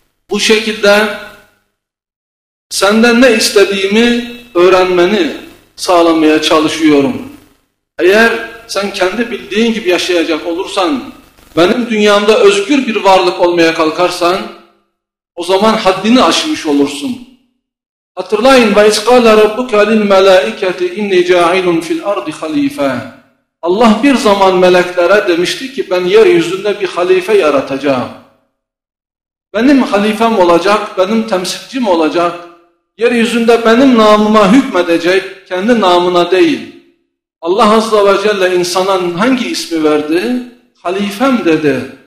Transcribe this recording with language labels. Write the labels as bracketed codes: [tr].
[tr] Bu şekilde senden ne istediğimi öğrenmeni sağlamaya çalışıyorum. Eğer sen kendi bildiğin gibi yaşayacak olursan, benim dünyamda özgür bir varlık olmaya kalkarsan, o zaman haddini aşmış olursun. Hatırlayın, [ar] وَاِسْقَالَ رَبُّكَ لِلْمَلَائِكَةِ اِنِّي جَاعِلٌ فِي الْاَرْضِ خَلِيفَةً. [tr] Allah bir zaman meleklere demişti ki ben yeryüzünde bir halife yaratacağım. Benim halifem olacak, benim temsilcim olacak. Yeryüzünde benim namıma hükmedecek, kendi namına değil. Allah Azze ve Celle insana hangi ismi verdi? Halifem dedi.